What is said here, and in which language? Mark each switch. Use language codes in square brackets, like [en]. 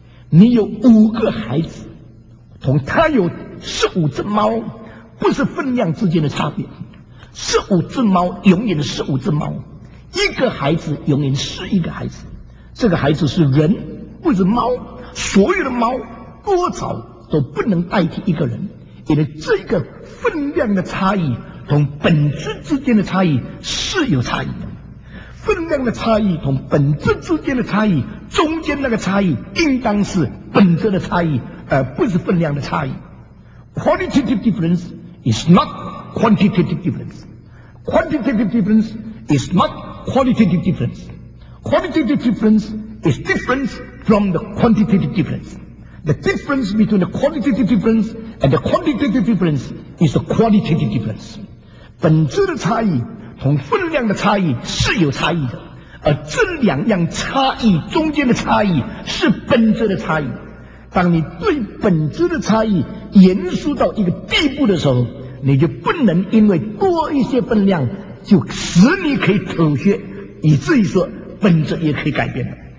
[zh] 你有五个孩子同他有十五只猫不是分量之间的差别，十五只猫永远是十五只猫，一个孩子永远是一个孩子，这个孩子是人不是猫，所有的猫多少都不能代替一个人，因为这个分量的差异同本质之间的差异是有差异的，分量的差异同本质之间的差异，中间那个差异应当是本质的差异，而不是分量的差异。 [en] Qualitative difference is not quantitative difference, quantitative difference is not qualitative difference, quantitative difference is different from the quantitative difference, the difference between the qualitative difference and the quantitative difference is the qualitative difference。 [zh] 本质的差异同分量的差异是有差异的，而这两样差异中间的差异是本质的差异。当你对本质的差异严肃到一个地步的时候，你就不能因为多一些分量就使你可以妥协，以至于说本质也可以改变了。